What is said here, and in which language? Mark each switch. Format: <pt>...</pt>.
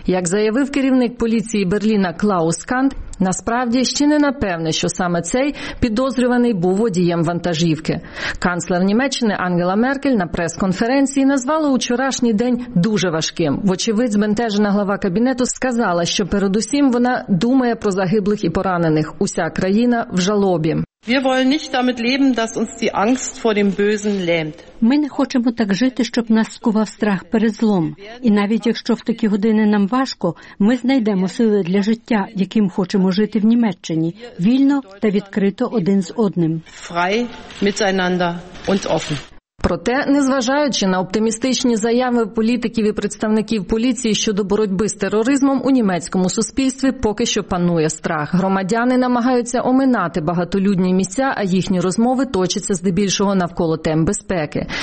<uk>Як заявив керівник поліції Берліна Клаус Кант, насправді ще не напевне, що саме цей підозрюваний був водієм вантажівки. Канцлер Німеччини Ангела Меркель на прес-конференції назвала учорашній день дуже важким. Вочевидь, збентежена глава кабінету сказала, що передусім вона думає про загиблих і поранених. Уся країна в жалобі.</uk> <de>Wir wollen nicht damit leben, dass uns die Angst vor dem Bösen lähmt.</de> <uk>Ми не хочемо так жити, щоб нас скував страх перед злом. І навіть якщо в такі години нам важко, ми знайдемо сили для життя, яким хочемо жити в Німеччині, вільно та відкрито один з одним.</uk> <de>Frei miteinander und offen.</de> <uk>Проте, незважаючи на оптимістичні заяви політиків і представників поліції щодо боротьби з тероризмом, у німецькому суспільстві поки що панує страх. Громадяни намагаються оминати багатолюдні місця, а їхні розмови точаться здебільшого навколо тем безпеки.</uk>